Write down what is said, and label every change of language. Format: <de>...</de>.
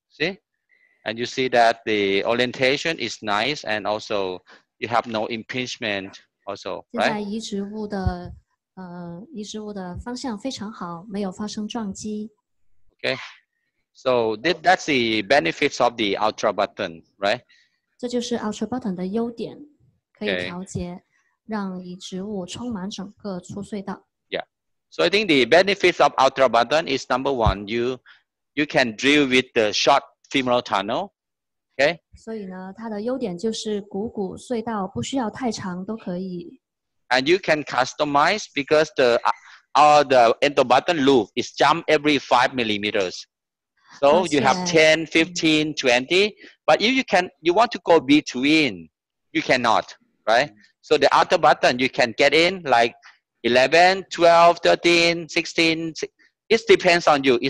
<en>See, and you see that the orientation is nice, and also you have no impingement. Also, right?</en> <zh>移植物的方向非常好，没有发生撞击。</zh> <en>Okay. So that's the benefits of the ultra button, right?</en> <zh>这就是 ultra button 的优点，可以调节，让移植物充满整个出隧道。</zh> <en>So I think the benefits of ultra button is number one, you can drill with the short femoral tunnel, okay?</en> <zh>所以呢，它的优点就是股隧道不需要太长都可以。</zh> <en>And you can customize because the ultra button loop is jump every 5 millimeters. So you have 10, 15, 20, but if you want to go between, you cannot, right? So the ultra button, you can get in like 11, 12, 13, 16, it depends on you.</en>